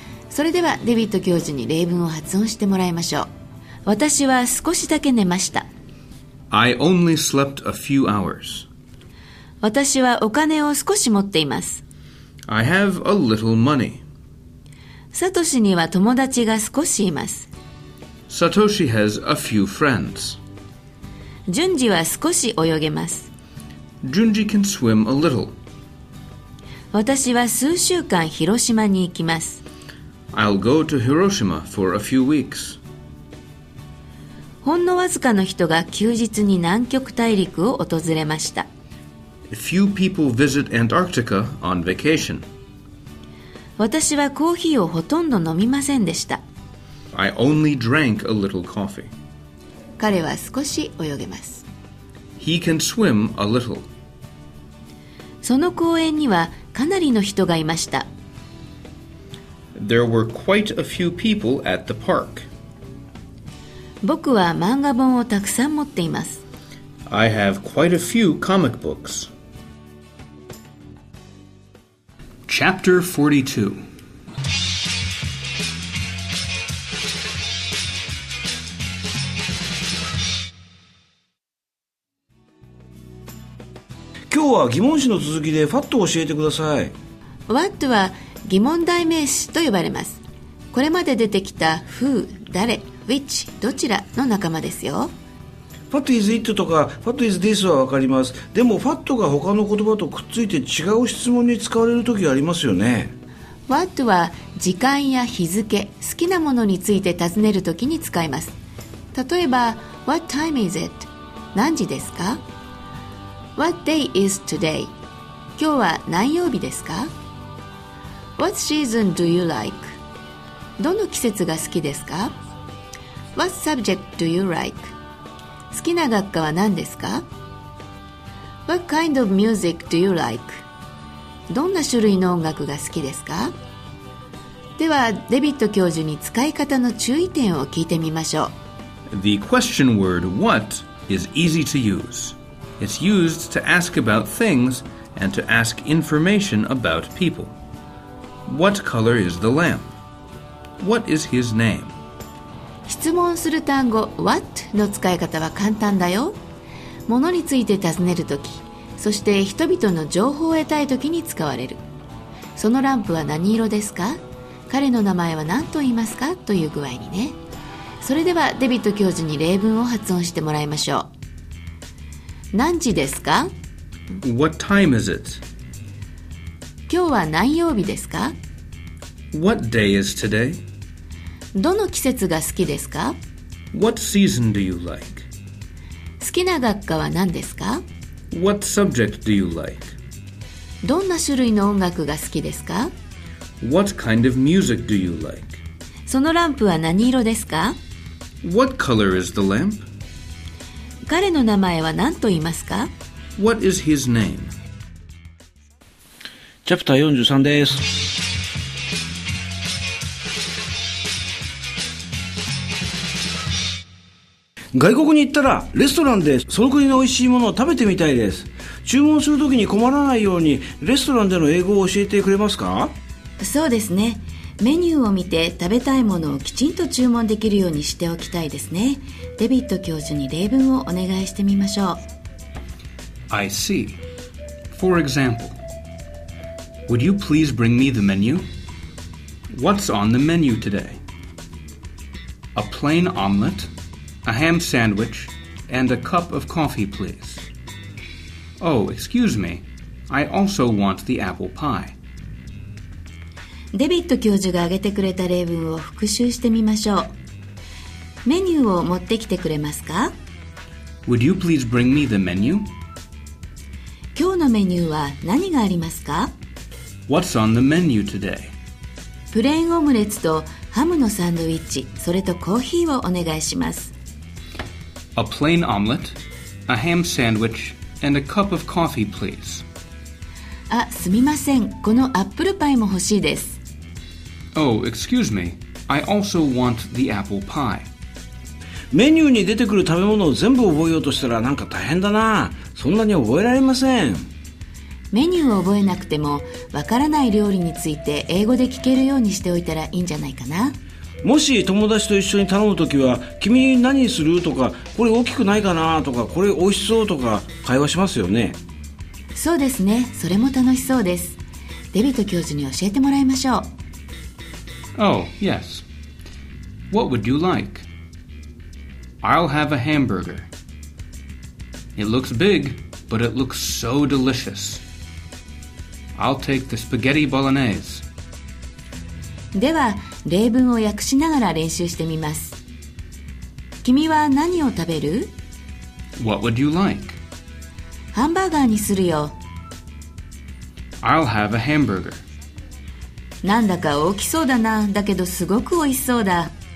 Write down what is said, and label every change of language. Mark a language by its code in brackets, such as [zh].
[ja] それではデビッド教授に例文を発音してもらいましょう。私は少しだけ寝ました。 [en] I only slept a few hours。 [ja] 私はお金を少し持っています。 [en] I have a little money。 [ja] サトシには友達が少しいます。 [en] Satoshi has a few friends。 [ja] ジュンジは少し泳げます。 [en] Junji can swim a little. [ja] 私は数週間広島に行きます。 [en] I'll go to Hiroshima for a few weeks. [ja] ほんのわずかの人が休日に南極大陸を訪れました。 [en] Few people visit Antarctica on vacation. [ja] 私はコーヒーをほとんど飲みませんでした。 [en] I only drank a little coffee. [ja] 彼は少し泳げます。 [en] He can swim a little. [ja] その公園にはかなりの人がいました。 [en] There were quite a few people at the park. [ja] 僕は漫画本をたくさん持っています。 [en] I have quite a few comic books. Chapter 42. [ja] 今日は疑問詞の続きでファットを教えてください。 What は疑問代名詞と呼ばれます。これまで出てきた Who、誰、Which、どちらの仲間ですよ。 [en] What is it [ja] とか [en] What is this [ja] は分かります。でも What が他の言葉とくっついて違う質問に使われる時ありますよね。 What は時間や日付、好きなものについて尋ねる時に使います。例えば [en] What time is it? [ja] 何時ですか。 [en] What day is today? [ja] 今日は何曜日ですか? [en] What season do you like? [ja] どの季節が好きですか? [en] What subject do you like? [ja] 好きな学科は何ですか? [en] What kind of music do you like? [ja] どんな種類の音楽が好きですか?ではデビッド教授に使い方の注意点を聞いてみましょう。 [en] The question word what is easy to use. It's used to ask about things and to ask information about people. What color is the lamp? What is his name? [ja] 質問する単語 what の使い方は簡単だよ。物について尋ねるとき、そして人々の情報を得たいときに使われる。そのランプは何色ですか？彼の名前は何と言いますか？という具合にね。それではデビッド教授に例文を発音してもらいましょう。何時ですか? [en] What time is it? [ja] 今日は何曜日ですか? [en] What day is today? [ja] どの季節が好きですか? [en] What season do you like? [ja] 好きな学科は何ですか? [en] What subject do you like? [ja] どんな種類の音楽が好きですか? [en] What kind of music do you like? [ja] そのランプは何色ですか? [en] What color is the lamp? [ja] 彼の名前は何と言いますか? [en] What is his name? [ja] チャプター43です。外国に行ったらレストランでその国の美味しいものを食べてみたいです。注文するときに困らないようにレストランでの英語を教えてくれますか? そうですね、メニューを見て食べたいものをきちんと注文できるようにしておきたいですね。デビッド教授に例文をお願いしてみましょう。 [en] I see. For example, Would you please bring me the menu? What's on the menu today? A plain omelette, a ham sandwich, and a cup of coffee, please. Oh, excuse me. I also want the apple pie. [ja] デビッド教授が挙げてくれた例文を復習してみましょう。メニューを持ってきてくれますか? [en] Would you please bring me the menu? [ja] 今日のメニューは何がありますか? [en] What's on the menu today? [ja] プレーンオムレツとハムのサンドイッチ、それとコーヒーをお願いします。 [en] A plain omelette, a ham sandwich, and a cup of coffee, please. [ja] あ、すみません。このアップルパイも欲しいです。 [en] Oh, excuse me. I also want the apple pie. [ja] メニューに出てくる食べ物を全部覚えようとしたらなんか大変だな。そんなに覚えられません。メニューを覚えなくてもわからない料理について英語で聞けるようにしておいたらいいんじゃないかな。もし友達と一緒に頼むときは君何するとか、これ大きくないかなとか、これ美味しそうとか会話しますよね。そうですね、それも楽しそうです。デビット教授に教えてもらいましょう。 [en] Oh, yes. What would you like? I'll have a hamburger. It looks big, but it looks so delicious. I'll take the spaghetti bolognese. [ja] では、例文を訳しながら練習してみます。君は何を食べる? [en] What would you like? [ja] ハンバーガーにするよ。 [en] I'll have a hamburger. [ja] なんだか大きそうだな。だけどすごく美味しそうだ。